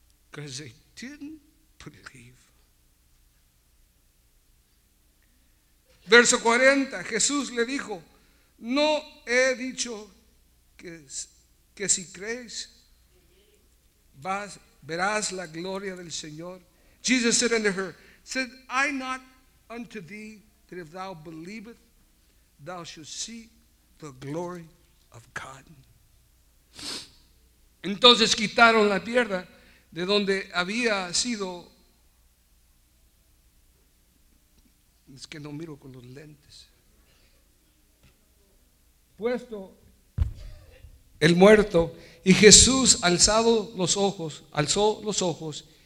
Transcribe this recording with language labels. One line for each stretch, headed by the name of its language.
English: Because they didn't believe.
Spanish: Verso 40. Jesús le dijo: no he dicho que si crees, verás la gloria del Señor.
English: Jesus said unto her, said I not unto thee that if thou believest, thou shalt see the glory of God.
Spanish: Entonces quitaron la piedra de donde había sido. Es que no miro con los lentes. Puesto el muerto, y Jesús alzó los ojos